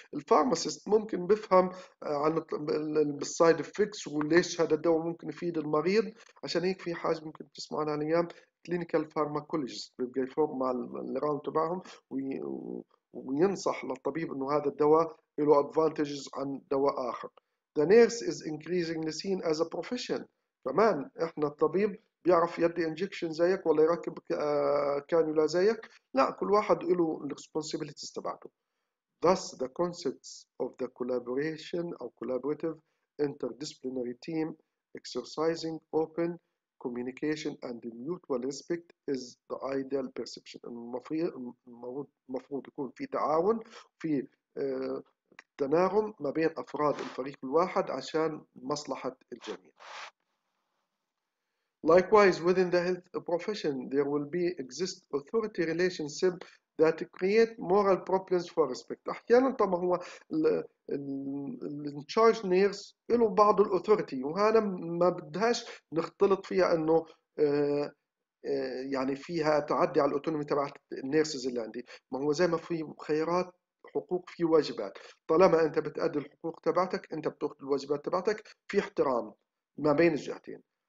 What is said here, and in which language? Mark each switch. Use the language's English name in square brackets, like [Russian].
[Arabic] الفارماسيست ممكن بفهم عن السايد افكتس وليش هذا الدواء ممكن يفيد المريض، عشان هيك في حاجه ممكن تسمع عنها الايام كلينيكال فارماكولوجيست بيبقى يفوق مع الراوند تبعهم وينصح للطبيب انه هذا الدواء له ادفانتجز عن دواء اخر. [English] The nurse is increasingly seen as a profession. [Arabic] كمان احنا الطبيب بيعرف يدي انجكشن زيك ولا يركب كانولا زيك، لا كل واحد له الريسبونسابيلتيز تبعته. [English] Thus the concepts of the collaboration or collaborative interdisciplinary team exercising open communication and mutual respect is the ideal perception. [Arabic] المفروض يكون في تعاون في تناغم ما بين افراد الفريق الواحد عشان مصلحه الجميع. [English] Likewise, within the health profession, there will be exist authority relationship that create moral problems for respect. [Arabic] أحيانا طبعا هو ال in charge nurse له بعض الأوثوريتي، وهنا ما بدهاش نختلط فيها إنه يعني فيها تعدي على الأوتونومي تبع النيرسز اللي عندي. ما هو زي ما في خيارات حقوق في واجبات، طالما أنت بتأدي الحقوق تبعتك أنت بتأخذ الواجبات تبعتك، في احترام ما بين الجهتين.